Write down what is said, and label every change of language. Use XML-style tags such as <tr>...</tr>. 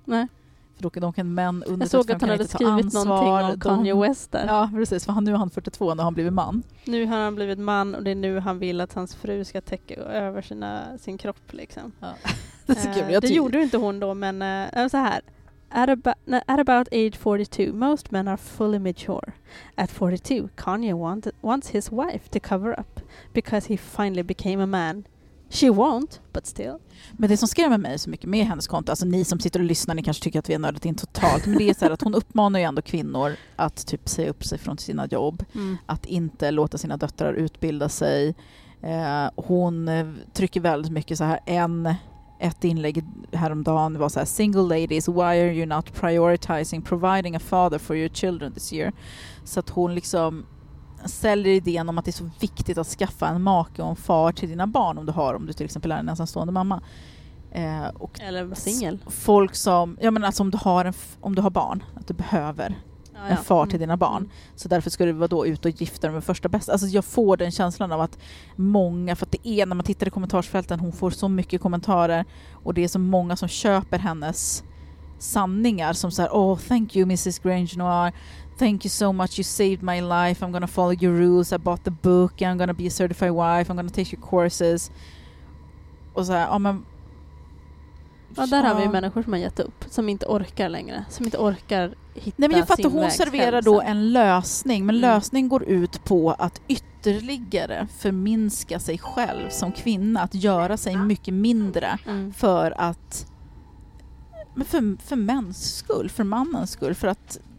<sv>Nej. För då kan män under 35 kan inte ta ansvar. Jag såg att han hade skrivit någonting om Kanye West där. Ja, precis. För nu är han 42 när han blivit man. Nu har han blivit man och det är nu han vill att hans fru ska täcka över sin kropp. Liksom. Ja. Det, är kul, det gjorde ju inte hon då, men så här.</sv> <en>At about age 42, most men are fully mature. At 42, Kanye wants his wife to cover up because he finally became a man. She won't, but still.</en> <sv>Men det som skrämmer mig så mycket med hennes konto, alltså ni som sitter och lyssnar, ni kanske tycker att vi är nördat in totalt, men det är så här att hon uppmanar ju ändå kvinnor att typ säga upp sig från sina jobb, att inte låta sina döttrar utbilda sig. Hon trycker väldigt mycket så här, ett inlägg häromdagen var så här:</sv> <en>single ladies, why are you not prioritizing providing a father for your children this year?</en> <sv>Så att hon liksom säljer idén om att det är så viktigt att skaffa en make och en far till dina barn om du till exempel är en ensamstående mamma. Och eller singel. Folk som, ja, men alltså om du har barn, att du behöver en far till dina barn. Så därför ska du vara då ut och gifta dem med första bästa. Alltså jag får den känslan av att många, för att det är när man tittar i kommentarsfälten, hon får så mycket kommentarer och det är så många som köper hennes sanningar som säger:</sv> <en>oh, thank you Mrs. Grange Noir. Thank you so much, you saved my life. I'm gonna follow your rules, I bought the book, I'm gonna be a certified wife, I'm gonna take your courses.</en> <sv>Och så här, ja, men ja, där har vi ju människor som har gett upp, som inte orkar längre, som inte orkar hitta. Nej, men jag fattar, hon serverar då en lösning, men lösningen går ut på att ytterligare förminska sig själv som kvinna, att göra sig mycket mindre för att, men för mäns skull, för mannens skull, för att.</sv>